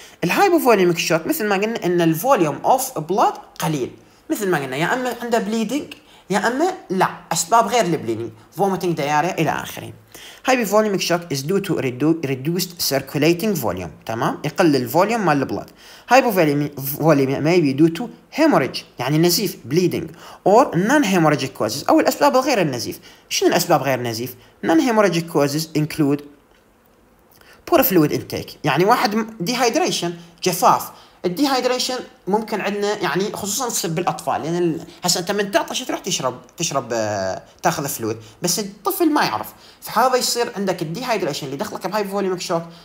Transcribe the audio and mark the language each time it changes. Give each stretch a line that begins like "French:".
Arabic: الهايبوفوليميك شوك مثل ما قلنا ان الفوليوم اوف بلاد قليل، مثل ما قلنا يا اما عنده بليدنج يا اما لا اسباب غير البليدنج، فوميتنج، دياريا الى اخره.
English: Hypovolaemic shock as due to reduced circulating volume.
Arabic: تمام، يقلل الفوليوم مال البلاد.
English: Hypovolemia may be due to hemorrhage،
Arabic: يعني نزيف
English: bleeding or non-hemorrhagic causes،
Arabic: أو الأسباب الغير النزيف. شنو الأسباب غير النزيف؟
English: Non-hemorrhagic causes include poor fluid intake،
Arabic: يعني واحد
English: dehydration، جفاف،
Arabic: الديهايدريشن ممكن عندنا يعني خصوصا تصير بالاطفال، لان يعني هسه انت من تعطش تروح تشرب تاخذ فلويد، بس الطفل ما يعرف، فهذا يصير عندك الديهايدريشن اللي دخلك بهاي فوليوم شوك.